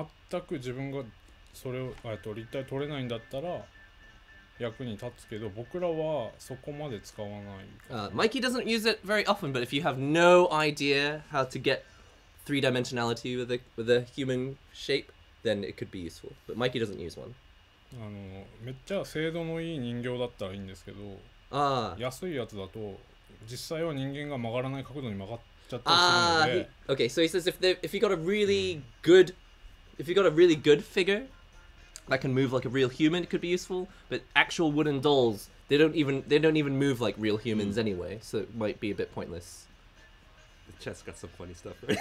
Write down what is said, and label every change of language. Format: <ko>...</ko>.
<ja>全く自分がそれを立体取れないんだったら役に立つけど、僕らはそこまで使わない。Mikey</ja> <en>doesn't use it very often, but if you have no idea how to get three-dimensionality with a human shape, then it could be useful. But Mikey doesn't use one.</en> <ja>めっちゃ精度のいい人形だったらいいんですけど、安いやつだと実際は人間が曲がらない角度に曲がっちゃったりするので、</ja> <en>Okay, so he says if they, if you got a really good, if you got a really good figure that can move like a real human, it could be useful. But actual wooden dolls, they don't even move like real humans anyway, so it might be a bit pointless. The chat's got some funny stuff.</en>